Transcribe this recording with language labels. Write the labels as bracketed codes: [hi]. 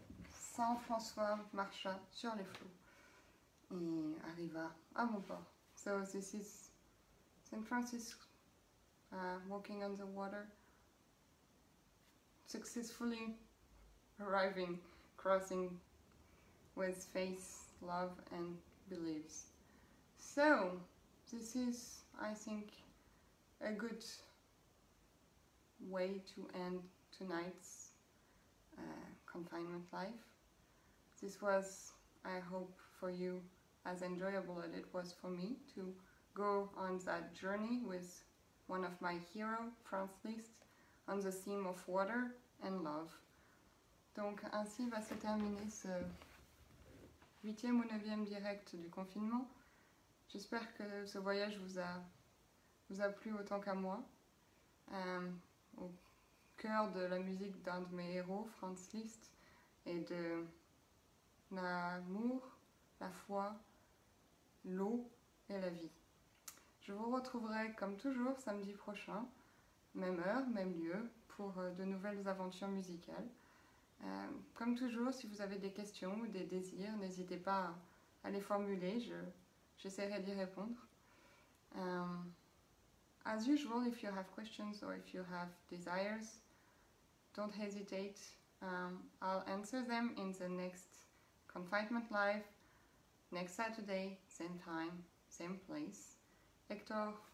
[fr] sans François marcha sur les flots et arriva à mon port. [en] So this is Saint Francis walking on the water, successfully arriving, crossing with faith, love and beliefs. So this is, I think, a good way to end tonight's confinement life. This was, I hope, for you as enjoyable as it was for me to go on that journey with one of my heroes, Franz Liszt, on the theme of water and love. [fr] Donc ainsi va se terminer ce 8e ou 9e direct du confinement. J'espère que ce voyage vous a plu autant qu'à moi. Au cœur de la musique d'un de mes héros, Franz Liszt, et de l'amour, la foi, l'eau et la vie. Je vous retrouverai comme toujours samedi prochain, même heure, même lieu, pour de nouvelles aventures musicales. Comme toujours, si vous avez des questions ou des désirs, n'hésitez pas à les formuler, j'essaierai d'y répondre. [en] As usual, if you have questions or if you have desires, don't hesitate. I'll answer them in the next confinement live, next Saturday, same time, same place. Hector